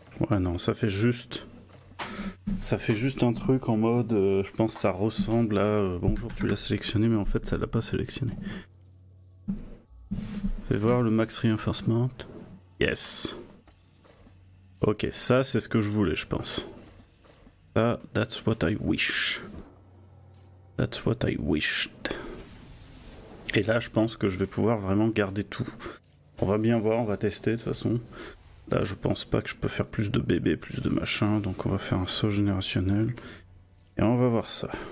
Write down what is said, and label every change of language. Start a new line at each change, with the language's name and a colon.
French: Ouais, non, ça fait juste un truc en mode, je pense que ça ressemble à, bonjour, tu l'as sélectionné, mais en fait, ça l'a pas sélectionné. Fais voir le max reinforcement. Yes. Ok, ça, c'est ce que je voulais, je pense.
English: Ça, that's what I wish. That's what I wished.
French: Et là, je pense que je vais pouvoir vraiment garder tout. On va bien voir, on va tester de toute façon. Là, je pense pas que je peux faire plus de bébés, plus de machins. Donc, on va faire un saut générationnel. Et on va voir ça.